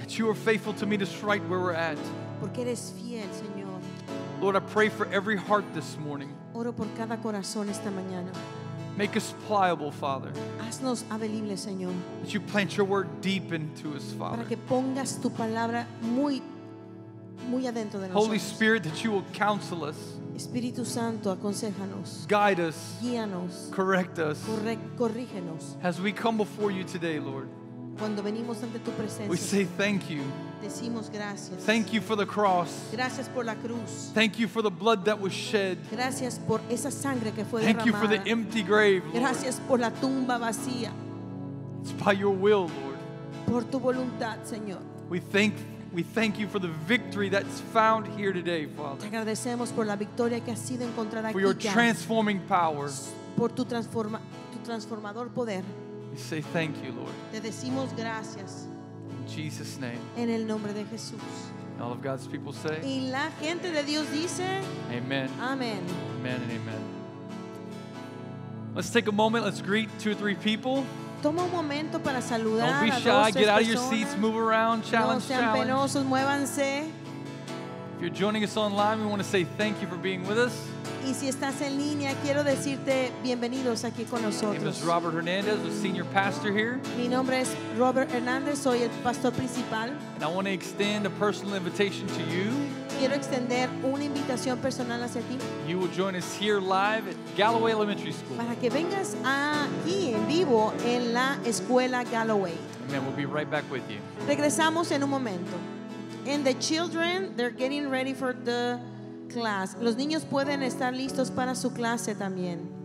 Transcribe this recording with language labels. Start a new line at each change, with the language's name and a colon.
English: That you are faithful to meet us right where we're at.
Spanish: Porque eres fiel, Señor.
English: Lord, I pray for every heart this morning.
Spanish: Oro por cada corazón esta mañana.
English: Make us pliable, Father.
Spanish: Haznos avelibles, Señor.
English: That you plant your word deep into us, Father.
Spanish: Para que pongas tu palabra muy, muy adentro de nosotros.
English: Holy Spirit, that you will counsel us.
Spanish: Espíritu Santo, aconséjanos.
English: Guide us.
Spanish: Guíanos.
English: Correct us.
Spanish: Corrígenos.
English: As we come before you today, Lord.
Spanish: Cuando venimos ante tu presencia.
English: We say thank you.
Spanish: Decimos gracias.
English: Thank you for the cross.
Spanish: Gracias por la cruz.
English: Thank you for the blood that was shed.
Spanish: Gracias por esa sangre que fue derramada.
English: Thank you for the empty grave, Lord.
Spanish: Gracias por la tumba vacía.
English: It's by your will, Lord.
Spanish: Por tu voluntad, Señor.
English: We thank you for the victory that's found here today, Father.
Spanish: Te agradecemos por la victoria que ha sido encontrada aquí.
English: For your transforming power.
Spanish: Por tu transformador poder.
English: We say thank you, Lord.
Spanish: Te decimos gracias.
English: In Jesus' name.
Spanish: En el nombre de Jesús.
English: All of God's people say.
Spanish: Y la gente de Dios dice.
English: Amen.
Spanish: Amen.
English: Amen and amen. Let's take a moment. Let's greet two or three people.
Spanish: Toma un momento para saludar.
English: Don't be shy.
Spanish: A dos,
English: get out of
Spanish: personas.
English: Your seats. Move around. Challenge,
Spanish: no sean
English: challenge.
Spanish: Penosos, muévanse.
English: If you're joining us online, we want to say thank you for being with us.
Spanish: Y si estás en línea, quiero decirte bienvenidos aquí con nosotros.
English: My name is Robert Hernandez, the senior pastor here.
Spanish: Mi nombre es Robert Hernandez, soy el pastor principal.
English: And I want to extend a personal invitation to you.
Spanish: quiero extender una invitación personal hacia ti.
English: You will join us here live at Galloway Elementary School.
Spanish: Para que vengas aquí en vivo en la escuela Galloway.
English: Amen. We'll be right back with you.
Spanish: Regresamos en un momento.
English: And the children, they're getting ready for the class.
Spanish: Los niños pueden estar listos para su clase también.